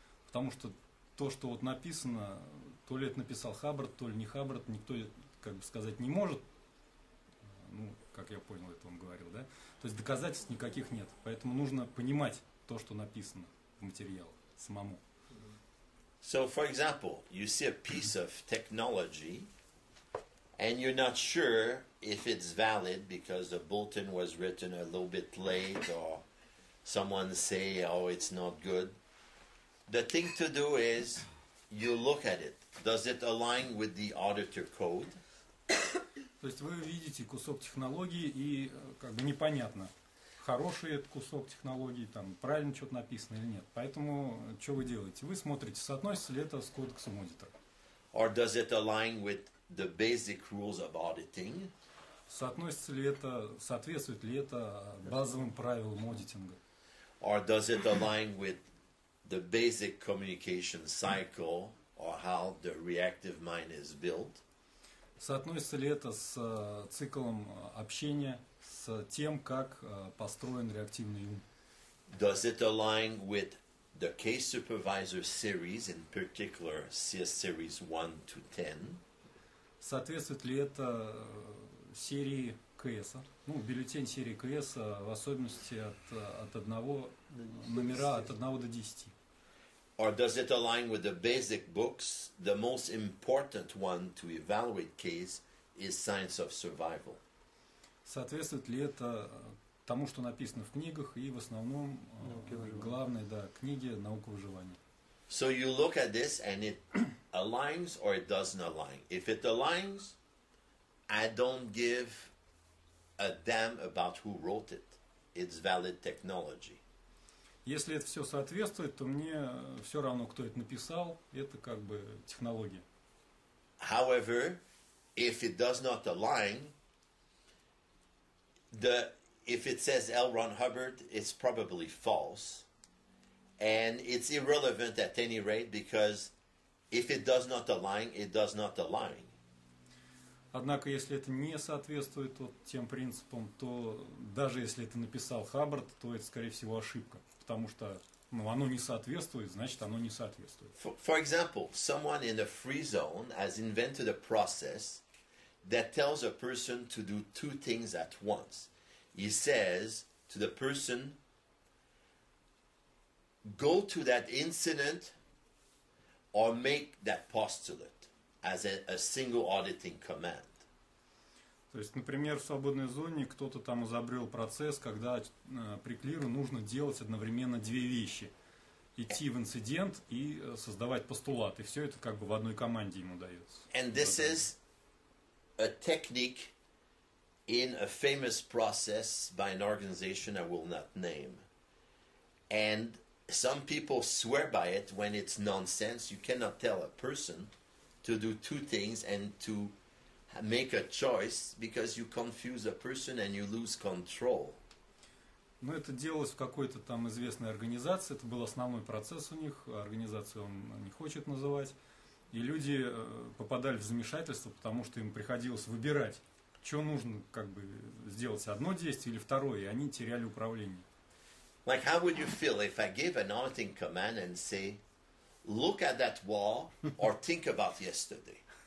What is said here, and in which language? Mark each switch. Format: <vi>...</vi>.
<ru>Потому что то, что вот написано, то ли это написал Хаббард, то ли не Хаббард, никто, как бы сказать, не может. Ну, как я понял, это он говорил, да? То есть доказательств никаких нет. Поэтому нужно понимать то, что написано в материал самому.</ru> <en>So, for example, you see a piece of technology and you're not sure if it's valid because the bulletin was written a little bit late or someone say, oh, it's not good. The thing to do is you look at it. Does it align with the auditor code?</en> <ru>То есть вы видите кусок технологии и как бы непонятно, хороший этот кусок технологии, там правильно что-то написано или нет. Поэтому что вы делаете? Вы смотрите, соотносится ли это с кодексом аудитора.</ru> <en>Or does it align with the basic rules of auditing?</en> <ru>Соотносится ли это, соответствует ли это базовым правилам аудитинга?</ru> <en>Or does it align with the basic communication cycle or how the reactive mind is built?</en> <ru>Соотносится ли это с циклом общения, с тем, как построен реактивный ум?</ru> <en>Does it align with the case supervisor series, in particular CS series 1 to 10?</en> <ru>Соответствует ли это серии КС, ну, бюллетень серии КС, в особенности от одного номера от 1 до 10?</ru> <en>Or does it align with the basic books? The most important one to evaluate case is Science of Survival.</en> <ru>Соответствует ли это тому, что написано в книгах и в основном главной, да, книге «Наука выживания»?</ru> <en>So you look at this and it aligns or it doesn't align. If it aligns, I don't give a damn about who wrote it. It's valid technology.</en> <ru>Если это все соответствует, то мне все равно, кто это написал, это как бы технология.</ru> <en>However, if it does not align, if it says L. Ron Hubbard, it's probably false. And it's irrelevant at any rate, because if it does not align, it does not align.</en> <ru>Однако, если это не соответствует вот тем принципам, то даже если это написал Хаббард, то это, скорее всего, ошибка. Потому что, ну, оно не соответствует, значит, оно не соответствует.</ru> <en>For example, someone in a free zone has invented a process that tells a person to do two things at once. He says to the person, go to that incident or make that postulate. As a single auditing command.</en> <ru>То есть, например, в свободной зоне кто-то там изобрел процесс, когда при клиру нужно делать одновременно две вещи. Идти в инцидент и создавать постулат. И все это как бы в одной команде ему дается.</ru> <en>And this is a technique in a famous process by an organization I will not name. And some people swear by it when it's nonsense. You cannot tell a person to do two things and to make a choice because you confuse a person and you lose control.</en> <ru>Ну, это делалось в какой-то там известной организации, это был основной процесс у них, организацию он не хочет называть. И люди попадали в замешательство, потому что им приходилось выбирать, что нужно, как бы, сделать одно действие или второе, и они теряли управление.</ru> <en>Like, how would you feel if I gave an anointing command and say, look at that wall or think about yesterday?</en>